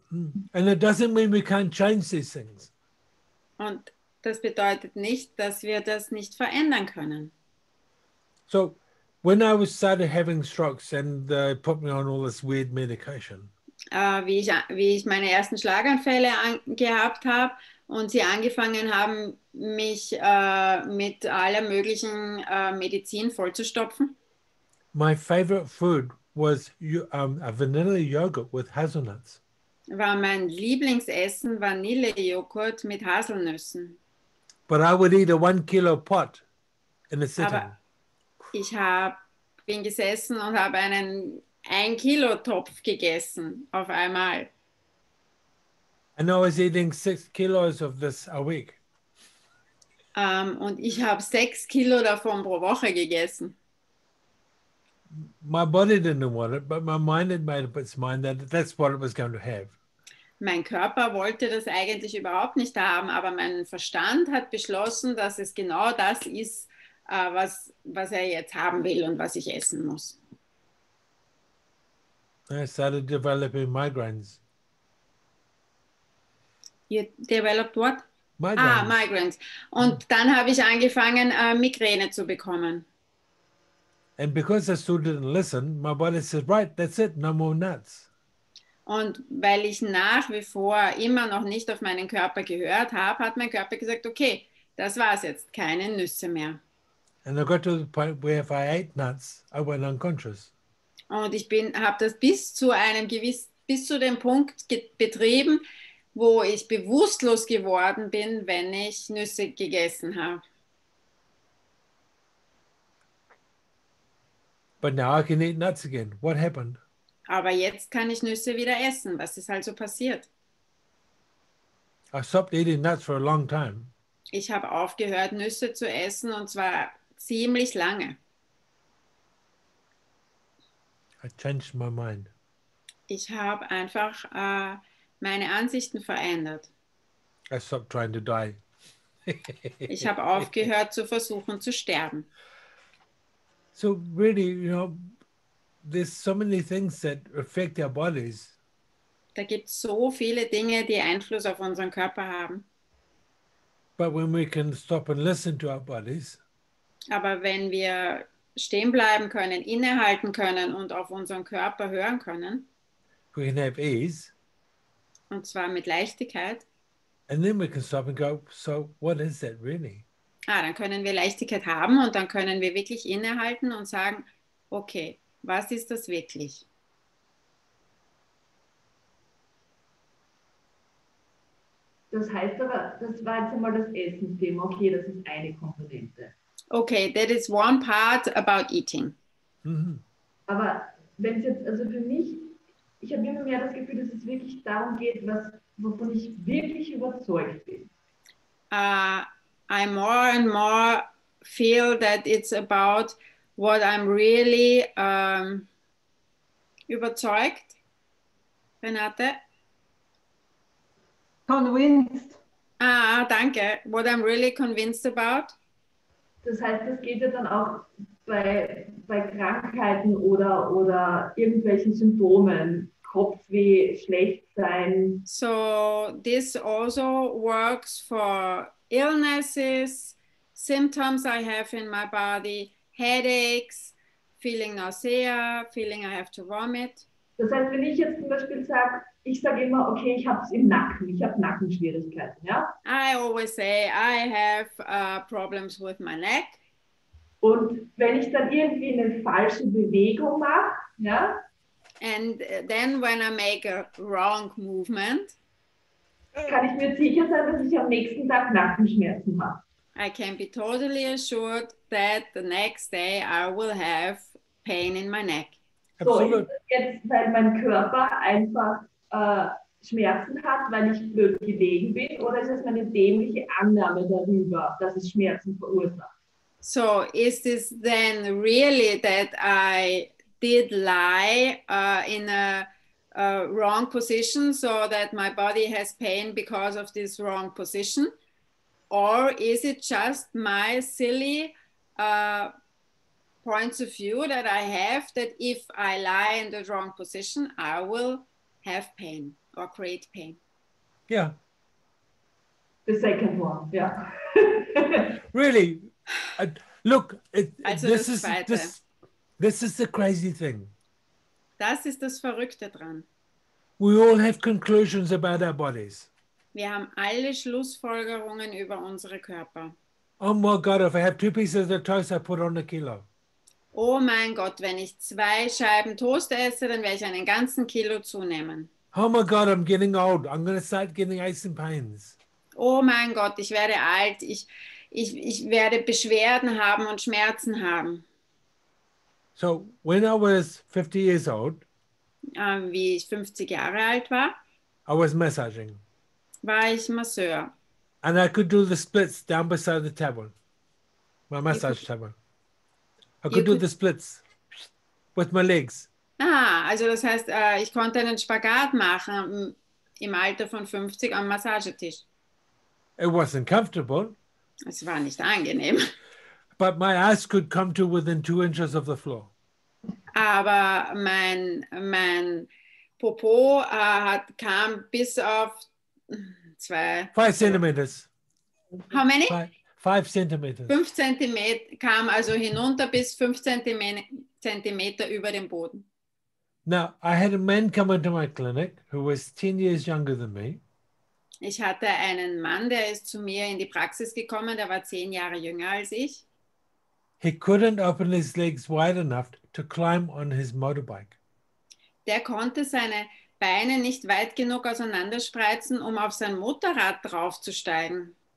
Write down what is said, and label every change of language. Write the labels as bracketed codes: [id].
[en] And it doesn't mean we can't change these things. [de] Und das bedeutet nicht, dass wir das nicht verändern können. [en] So, when I started having strokes and they put me on all this weird medication. [de] wie ich meine ersten Schlaganfälle gehabt habe und sie angefangen haben, mich mit aller möglichen Medizin vollzustopfen. [en] My favorite food was a vanilla yogurt with hazelnuts. [de] War mein Lieblingsessen Vanillejoghurt mit Haselnüssen. [en] But I would eat a 1 kilo pot in a sitting. [de] Aber ich bin gesessen und habe einen 1-Kilo-Topf gegessen auf einmal. [en] And I was eating 6 kilos of this a week. [de] Und ich habe 6 Kilo davon pro Woche gegessen. [en] My body didn't want it, but my mind had made up its mind that that's what it was going to have. [de] Mein Körper wollte das eigentlich überhaupt nicht haben, aber mein Verstand hat beschlossen, dass es genau das ist, was er jetzt haben will und was ich essen muss. [en] I started developing migraines. You developed what? Migraines. Ah, migraines. [de] Und dann habe ich angefangen, Migräne zu bekommen. [en] And because I still didn't listen, my body said, right, that's it, no more nuts. [de] Und weil ich nach wie vor immer noch nicht auf meinen Körper gehört habe, hat mein Körper gesagt, okay, das war's jetzt, keine Nüsse mehr. [en] And I got to the point where if I ate nuts, I went unconscious. [de] Und ich habe das bis zu dem Punkt betrieben, wo ich bewusstlos geworden bin, wenn ich Nüsse gegessen habe. [en] But now I can eat nuts again. What happened? [de] Aber jetzt kann ich Nüsse wieder essen. Was ist also passiert? [en] I stopped eating nuts for a long time. [de] Ich habe aufgehört, Nüsse zu essen, und zwar ziemlich lange. [en] I changed my mind. [de] Ich habe einfach meine Ansichten verändert. [en] I stopped trying to die. [de] Ich habe aufgehört, zu versuchen zu sterben. [en] So really, you know, there's so many things that affect our bodies. [de] Da gibt's so viele Dinge, die Einfluss auf unseren Körper haben. [en] But when we can stop and listen to our bodies. [de] Aber wenn wir stehen bleiben können, innehalten können und auf unseren Körper hören können. [en] We can have ease. [de] Und zwar mit Leichtigkeit. [en] And then we can stop and go, so what is that really? [de] Ah, dann können wir Leichtigkeit haben und dann können wir wirklich innehalten und sagen, okay, was ist das wirklich? Das heißt aber, das war jetzt einmal das Essensthema. Okay, das ist eine Komponente. [en] Okay, that is one part about eating. Mhm. [de] Aber wenn es jetzt, also für mich, ich habe immer mehr das Gefühl, dass es wirklich darum geht, wovon ich wirklich überzeugt bin. [en] I more and more feel that it's about what I'm really überzeugt. Renate? Convinced. Ah, danke. What I'm really convinced about. [de] Das heißt, das geht ja dann auch bei Krankheiten oder irgendwelchen Symptomen. Kopfweh, schlecht sein. [en] So this also works for illnesses, symptoms I have in my body, headaches, feeling nausea, feeling I have to vomit. [de] Das heißt, wenn ich jetzt zum Beispiel sage immer, okay, ich habe es im Nacken, ich habe Nackenschwierigkeiten, ja? [en] I always say, I have problems with my neck. [de] Und wenn ich dann irgendwie eine falsche Bewegung mache, ja? [en] And then when I make a wrong movement, [de] kann ich mir sicher sein, dass ich am nächsten Tag Nackenschmerzen habe. [en] I can be totally assured that the next day I will have pain in my neck. [de] Absolutely. So, jetzt, weil mein Körper einfach Schmerzen hat, weil ich blöd gelegen bin, oder ist es meine dämliche Annahme darüber, dass es Schmerzen verursacht? [en] So, is this then really that I did lie in a wrong position, so that my body has pain because of this wrong position? Or is it just my silly points of view that I have, that if I lie in the wrong position, I will have pain or create pain? Yeah. The second one, yeah. Really? This is the crazy thing. [de] Das ist das Verrückte dran. [en] We all have conclusions about our bodies. [de] Wir haben alle Schlussfolgerungen über unsere Körper. [en] Oh my God, if I have two pieces of toast, I put on a kilo. [de] Oh mein Gott, wenn ich zwei Scheiben Toast esse, dann werde ich einen ganzen Kilo zunehmen. [en] Oh my God, I'm getting old. I'm going to start getting aches and pains. [de] Oh mein Gott, ich werde alt. Ich werde Beschwerden haben und Schmerzen haben. [en] So, when I was 50 years old, [de] wie ich 50 Jahre alt war, [en] I was massaging. [de] War ich Masseur. [en] And I could do the splits down beside the table. My massage table. I could do the splits with my legs. [de] Ah, also das heißt, ich konnte einen Spagat machen im Alter von 50 am Massagetisch. [en] It wasn't comfortable. [de] Es war nicht angenehm. [en] But my ass could come to within 2 inches of the floor. [de] Aber mein Popo kam bis auf [en] 5 centimeters. How many? 5 centimeters. [de] 5 centimeter kam also hinunter bis 5 centimeter über dem Boden. [en] Now, I had a man come into my clinic who was 10 years younger than me. [de] Ich hatte einen Mann, der ist zu mir in die Praxis gekommen, der war 10 Jahre jünger als ich. [en] He couldn't open his legs wide enough to climb on his motorbike. [de] Der konnte seine Beine nicht weit genug auseinanderspreizen, um auf sein Motorrad draufzusteigen.